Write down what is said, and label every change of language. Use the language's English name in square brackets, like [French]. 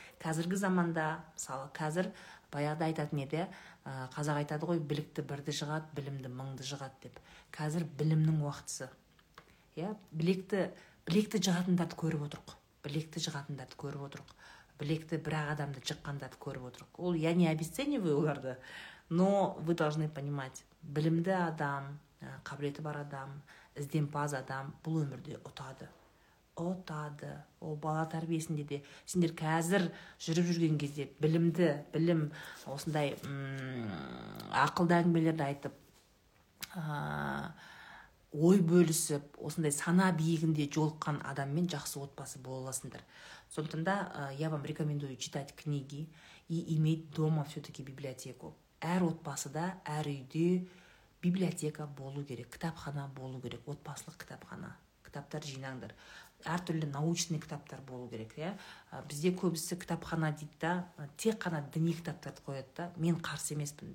[Kazakh] Қазіргі заманда, мысалы, қазір баяғыда айтатын еді, қазақ айтады ғой, білікті бірді жығат, білімді мыңды жығат деп. Қазір білімнің уақытысы. Иә, білекті жығатындарды көріп отырық. Білекті жығатындарды көріп отырық. Білекті бірақ адамды жыққандарды көріп отырық. [Russian] Ол я не обесцениваю оларды, но вы должны понимать. [Kazakh] Білімді адам, қабілеті бар адам, ізденпаз адам бұл өмірде ұтады. Ұтады. Ол бала тәрбиесінде де. Сендер қазір жүріп жүрген кезде білімді, білім осындай ақылды әңгімелерді айтып, ой бөлісіп, осындай сана биігінде жолыққан адаммен жақсы отбасы бола аласыңдар. Сондықтан да [Russian] я вам рекомендую читать книги и иметь дома все-таки библиотеку. [Kazakh] Әр отбасыда, әр үйде библиотека болу керек, кітапхана болу керек, отбасылық кітапхана, кітаптар жинаңдар. Әртүрлі научный кітаптар болу керек, иә? Бізде көбісі кітапхана дейді да, тек қана діни кітаптарды қояды да. Мен қарсы емеспін.